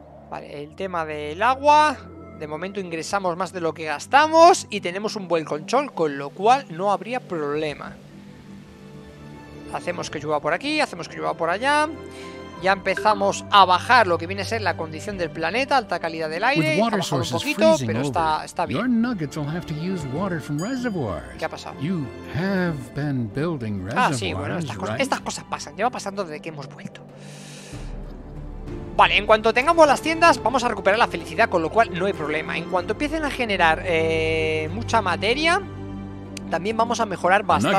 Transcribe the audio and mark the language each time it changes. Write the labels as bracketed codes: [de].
[es] Vale, el tema del agua. De momento ingresamos más de lo que gastamos. Y tenemos un buen colchón, con lo cual no habría problema. Hacemos que llueva por aquí, hacemos que llueva por allá. Ya empezamos a bajar lo que viene a ser la condición del planeta, alta calidad del aire. Ha bajado un poquito, pero está bien. [en] Your nuggets will have to use water from reservoirs. [es] ¿Qué ha pasado? [en] You have been building reservoirs, [es] sí, bueno, estas cosas pasan. Lleva pasando desde que hemos vuelto. Vale, en cuanto tengamos las tiendas, vamos a recuperar la felicidad, con lo cual no hay problema. En cuanto empiecen a generar mucha materia, también vamos a mejorar bastante.